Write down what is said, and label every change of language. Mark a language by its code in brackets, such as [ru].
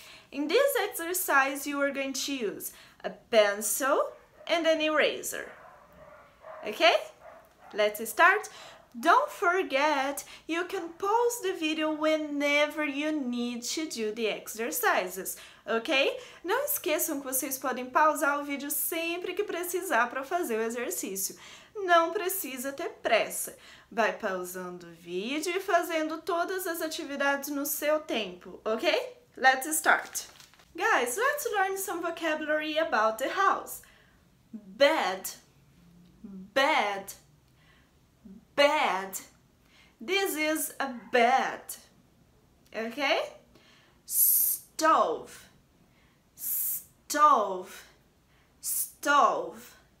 [en] In this exercise, you are going to use a pencil and an eraser, okay? Let's start. Don't forget, you can pause the video whenever you need to do the exercises. Ok? [pt] Não esqueçam que vocês podem pausar o vídeo sempre que precisar para fazer o exercício. Não precisa ter pressa. Vai pausando o vídeo e fazendo todas as atividades no seu tempo, ok? [en] Let's start. Guys, let's learn some vocabulary about the house. Bed. Bed. Bed. This is a bed. Ok? Stove. Stove, stove.